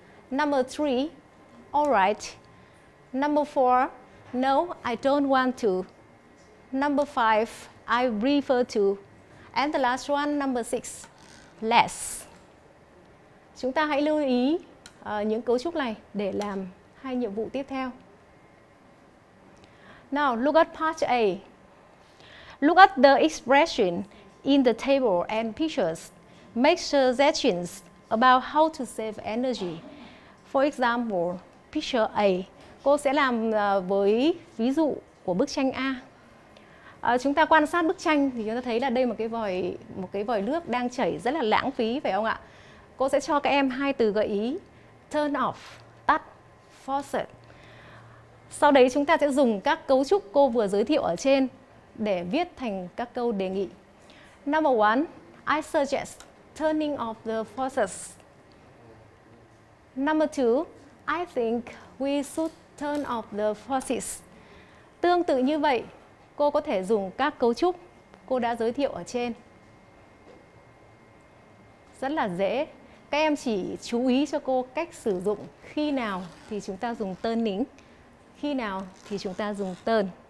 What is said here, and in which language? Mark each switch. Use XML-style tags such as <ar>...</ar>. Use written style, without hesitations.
<en>Number 3, all right. Number 4, no, I don't want to. Number 5, I prefer to. And the last one, number 6, less.</en> <vi>Chúng ta hãy lưu ý những cấu trúc này để làm hai nhiệm vụ tiếp theo.</vi> <en>Now, look at part A. Look at the expression in the table and pictures. Make suggestions about how to save energy. For example, picture A.</en> <vi>Cô sẽ làm với ví dụ của bức tranh A. Chúng ta quan sát bức tranh thì chúng ta thấy là đây một cái vòi nước đang chảy rất là lãng phí, phải không ạ? Cô sẽ cho các em hai từ gợi ý: turn off, tắt, faucet. Sau đấy chúng ta sẽ dùng các cấu trúc cô vừa giới thiệu ở trên để viết thành các câu đề nghị.</vi> <en>Number 1, I suggest turning off the faucets. Number 2, I think we should turn off the faucets.</en> <vi>Tương tự như vậy, cô có thể dùng các cấu trúc cô đã giới thiệu ở trên. Rất là dễ. Các em chỉ chú ý cho cô cách sử dụng khi nào thì chúng ta dùng turning, khi nào thì chúng ta dùng turn.</vi>